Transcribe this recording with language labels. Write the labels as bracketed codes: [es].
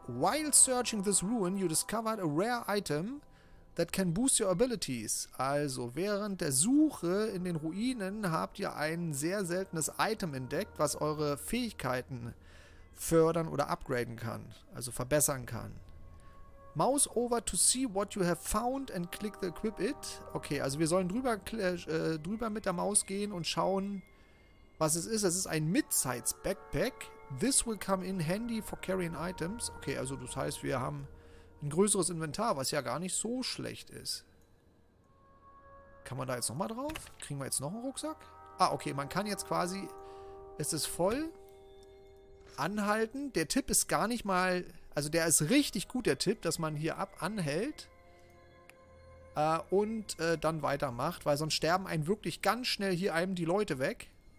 [en] While searching this ruin, you discovered a rare item that can boost your abilities. [de] Also, während der Suche in den Ruinen habt ihr ein sehr seltenes Item entdeckt, was eure Fähigkeiten fördern oder upgraden kann. Also verbessern kann. [en] Mouse over to see what you have found and click to equip it. [de] Okay, also wir sollen drüber mit der Maus gehen und schauen, was es ist. Es ist ein Mid-Size Backpack. [en] This will come in handy for carrying items. [de] Okay, also das heißt, wir haben ein größeres Inventar, was ja gar nicht so schlecht ist. Kann man da jetzt nochmal drauf? Kriegen wir jetzt noch einen Rucksack? Ah, okay, man kann jetzt quasi... Es ist voll. anhalten. Der Tipp ist gar nicht mal, also der ist richtig gut, der Tipp, dass man hier ab anhält und dann weitermacht, weil sonst sterben einen wirklich ganz schnell hier einem die Leute weg.